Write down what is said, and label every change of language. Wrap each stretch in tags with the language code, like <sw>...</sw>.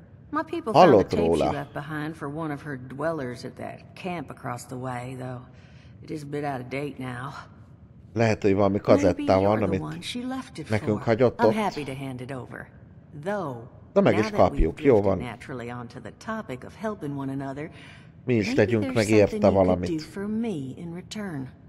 <en>My people found the tape she left behind for one of her dwellers at that camp across the way, though it is a bit out of date now.</en> <hu>Lehet, hogy valami kazetta van, amit nekünk hagyott ott.</hu> <en>I'm happy to hand it over. Though, now that we've drifted naturally onto the topic of helping one another, maybe there's something you could do for me in return.</en>